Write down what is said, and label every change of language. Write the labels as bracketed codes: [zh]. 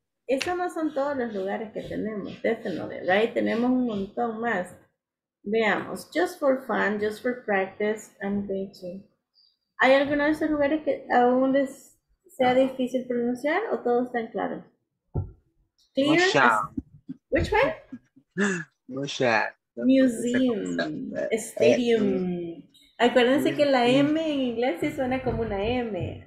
[es] Esos no son todos los lugares que tenemos. [en] Definitely, right? [es] Tenemos un montón más. Veamos. [en] Just for fun, just for practice, I'm going to. [es] ¿Hay alguno de esos lugares que aún les sea difícil pronunciar o todos están claros? [en] Clear? Which one? Museum. Museum. Stadium. [es] Acuérdense que la M en inglés sí suena como una M.